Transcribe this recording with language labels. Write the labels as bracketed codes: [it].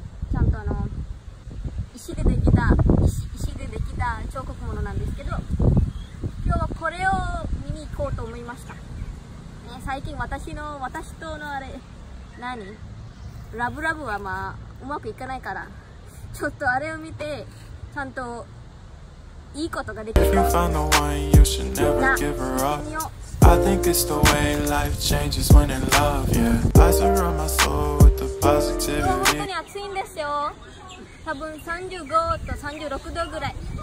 [ja] ちゃんとあの石でできた彫刻物なんですけど、今日はこれを見に行こうと思いましたね。最近私とのあれ何ラブラブはまあうまくいかないから、ちょっとあれを見てちゃんといいことができる。 [en] If you find the one, you should never give her up. I think it's the way life changes when in love, yeah. I surround my soul with the positivity. [ja] 今日本当に暑いんですよ。多分35と36度ぐらい。